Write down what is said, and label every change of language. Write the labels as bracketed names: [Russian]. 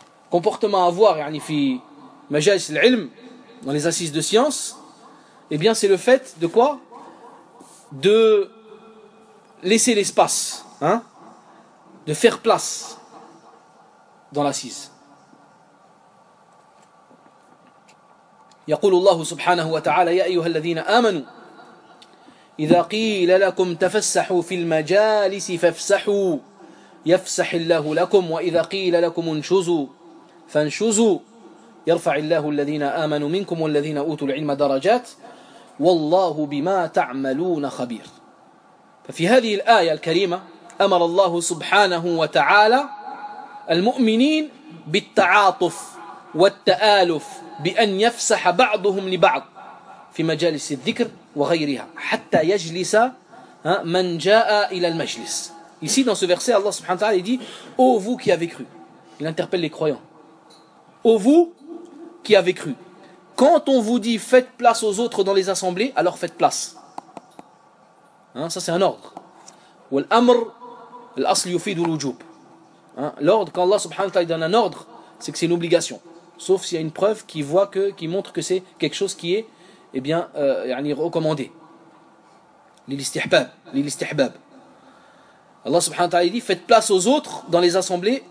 [French] comportement à avoir, [Arabic] yani fi majalis al-ilm, [French] dans les assises de science, eh bien c'est le fait de quoi? De laisser l'espace, hein, de faire place dans l'assise. [Arabic] يقول الله سبحانه وتعالى يا أيها الذين آمنوا إذا قيل لكم تفسحوا في المجالس فافسحوا يفسح الله لكم وإذا قيل لكم انشزوا فانشزوا يرفع الله الذين آمنوا منكم والذين أوتوا العلم درجات والله بما تعملون خبير. ففي هذه الآية الكريمة أمر الله سبحانه وتعالى المؤمنين بالتعاطف والتآلف بأن يفسح بعضهم لبعض في مجالس الذكر وغيرها حتى يجلس من جاء إلى المجلس. [French] Ici dans ce verset, Allah subhanahu wa ta'ala dit: Ô vous qui avez cru. Il interpelle les croyants. Ô vous qui avez cru. Quand on vous dit faites place aux autres dans les assemblées, alors faites place. Hein, ça c'est un ordre. [Arabic] والأمر الأصل يفيد الوجوب. [French] L'ordre, quand Allah subhanahu wa ta'ala donne un ordre, c'est que c'est une obligation. Sauf s'il y a une preuve qui voit que, qui montre que c'est quelque chose qui est, eh bien, recommandé. L'istihbab, l'istihbab. Allah subhanahu wa ta'ala dit, faites place aux autres dans les assemblées.